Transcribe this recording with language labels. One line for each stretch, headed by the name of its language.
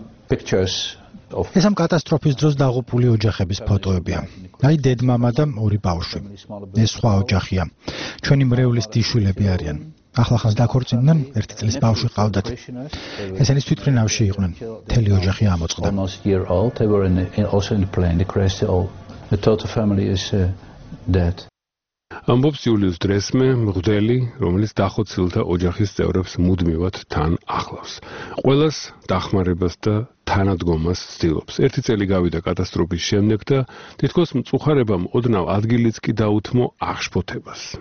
Georgian: ეს ამ კატასტროფის დროს დაღუპული ოჯახების ფოტოებია. აი დედმამა და ორი ბავშვი. ეს სხვა ოჯახია. ჩვენი მრევლის დიშვილები არიან. ახლახანს დაქორწინდნენ, ერთი წლის ბავშვი ყავდათ. ესენი თვითმფრინავში იყვნენ. მთელი ოჯახი ამოწყდა.
English: The total family is dead.
Georgian: ამბობს იულიუს დრესმე, მღვდელი, რომელიც დახოცილთა ოჯახის წევრებს მუდმივად თან ახლავს. ყველას დახმარებას და თანადგომას ცდილობს. ერთი წელი გავიდა კატასტროფის შემდეგ და თითქოს მწუხარებამ ოდნავ ადგილიც კი დაუთმო აღშფოთებას.